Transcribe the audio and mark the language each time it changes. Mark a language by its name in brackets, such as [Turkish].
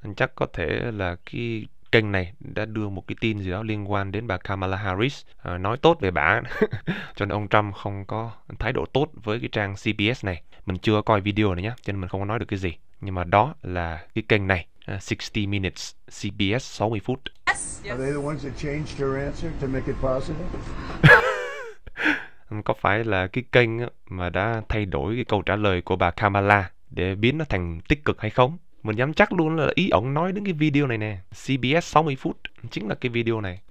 [Vietnamese] Chắc có thể là cái kênh này đã đưa một cái tin gì đó liên quan đến bà Kamala Harris, nói tốt về bà. Cho nên ông Trump không có thái độ tốt với cái trang CBS này. Mình chưa coi video này nhé, cho nên mình không có nói được cái gì. Nhưng mà đó là cái kênh này, 60 Minutes, CBS 60 phút. [English] Yes, yes. Are they the ones that changed her answer to make it possible? [Vietnamese] Có phải là cái kênh mà đã thay đổi cái câu trả lời của bà Kamala để biến nó thành tích cực hay không? Mình dám chắc luôn là ý ổng nói đến cái video này nè, CBS 60 phút, chính là cái video này.